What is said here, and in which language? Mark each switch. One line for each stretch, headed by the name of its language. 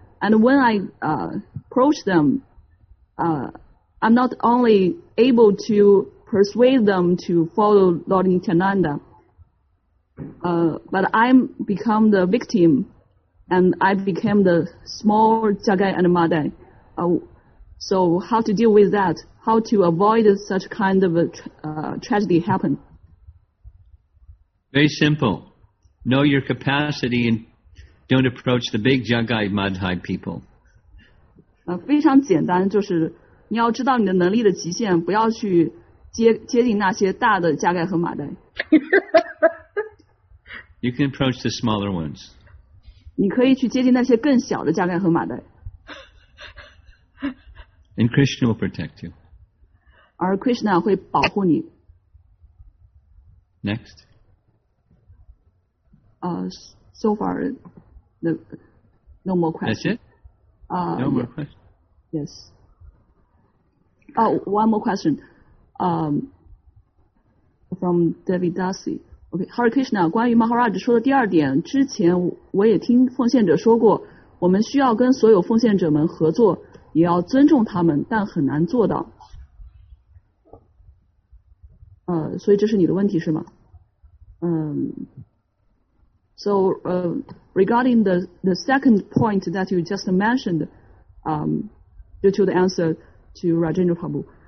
English: And when I approach them, I'm not only able to persuade them to follow Lord Nityananda, but I'm become the victim, and I became the small Jagai and Madai. So how to deal with that? How to avoid such kind of a tragedy happen? Very simple. Know your capacity and don't approach the big Jagai Madhai people.
Chinese: 非常简单，就是你要知道你的能力的极限，不要去接近那些大的加盖和马代。
English: You can approach the smaller ones.
Chinese: 你可以去接近那些更小的加盖和马代。
English: And Krishna will protect you.
Chinese: 而 Krishna 会保护你。
English: Next. So far, no more questions. That's it? No more questions. Yes. Oh, one more question. From David Darcy.
Chinese: Okay, Hare Krishna, 关于 Maharaj 说的第二点，之前我也听奉献者说过，我们需要跟所有奉献者们合作，也要尊重他们，但很难做到。所以这是你的问题是吗？
English: So, regarding the second point that you just mentioned, due to the answer to Rajendra Prabhu.